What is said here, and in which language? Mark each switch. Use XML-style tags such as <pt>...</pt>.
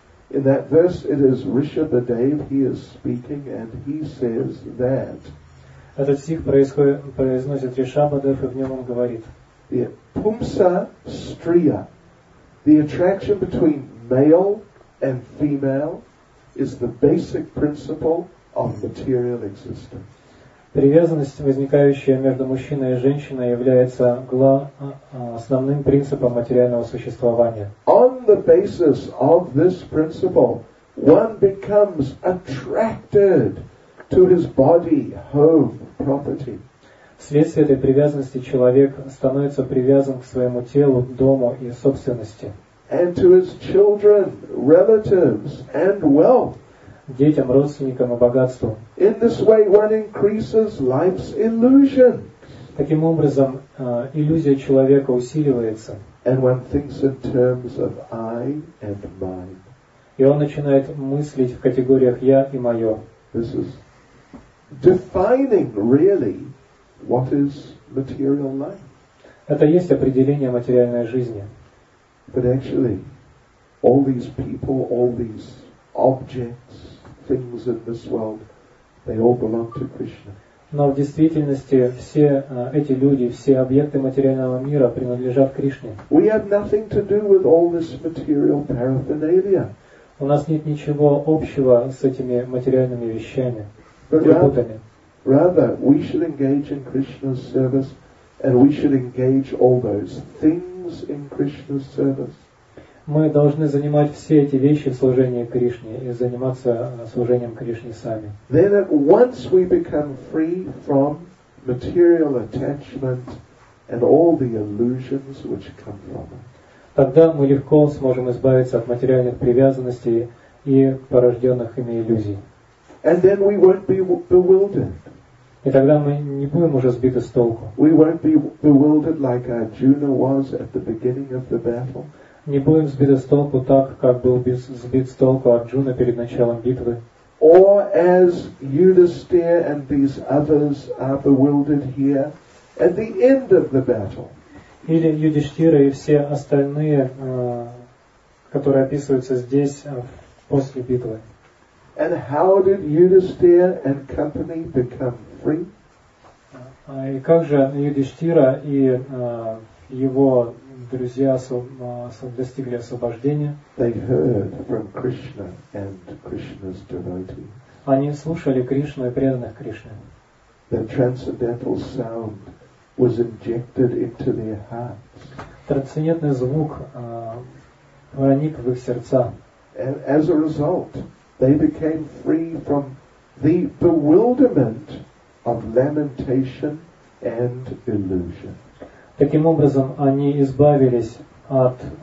<en>In that verse it is Ришабадев, he is speaking and he says that.</en> <ru>Этот стих произносит Ришабадев, и в нем он говорит.</ru> <sa>Пумса стрия.</sa> <en>The attraction between male and female is the basic principle of material existence.</en> <ru>Привязанность, возникающая между мужчиной и женщиной, является основным принципом материального существования.</ru> <en>On the basis of this principle, one becomes attracted to his body, home, property.</en> <ru>Вследствие этой привязанности человек становится привязан к своему телу, дому и собственности.</ru> <en>And to his children, relatives, and wealth.</en> <ru>Детям, родственникам и богатству.</ru> <en>In this way, one increases life's illusion.</en> <ru>Таким образом, иллюзия человека усиливается.</ru> <en>And one thinks in terms of I and mine.</en> <ru>И он начинает мыслить в категориях я и мое.</ru> <en>This is defining really what is material life.</en> <ru>Это есть определение материальной жизни.</ru> <en>But actually, all these people, all these objects, things in this world, they all belong to Krishna.</en> <ru>Но в действительности все эти люди, все объекты материального мира принадлежат Кришне.</ru> <en>We have nothing to do with all this material paraphernalia.</en> <ru>У нас нет ничего общего с этими материальными вещами.</ru> <en>Rather, we should engage in Krishna's service, and we should engage all those things in Krishna's service.</en> <ru>Мы должны занимать все эти вещи в служении Кришне и заниматься служением Кришне сами.</ru> <en>Then at once we become free from material attachment and all the illusions which come from it.</en> <ru>Тогда мы легко сможем избавиться от материальных привязанностей и порожденных ими иллюзий.</ru> <en>And then we won't be bewildered.</en> <ru>И тогда мы не будем уже сбиты с толку.</ru> <en>We won't be bewildered like Arjuna was at the beginning of the battle.</en> <ru>Не будем сбиты с толку так, как был сбит с толку Арджуна перед началом битвы.</ru> <en>Or as Yudhisthira and these others are bewildered here at the end of the battle.</en> <ru>Или Юдиштира и все остальные, которые описываются здесь после битвы.</ru> <en>And how did Yudhisthira and company become free?</en> <ru>И как же Юдиштира и его друзья достигли освобождения.</ru> <en>They heard from Krishna and Krishna's devotees.</en> <ru>Они слушали Кришну и преданных Кришне.</ru> <en>The transcendental sound was injected into their hearts.</en> <ru>Трансцендентный звук проник в их сердца.</ru> <en>And as a result, they became free from the bewilderment of lamentation and illusion.</en> <ru>Таким образом, они избавились от</ru>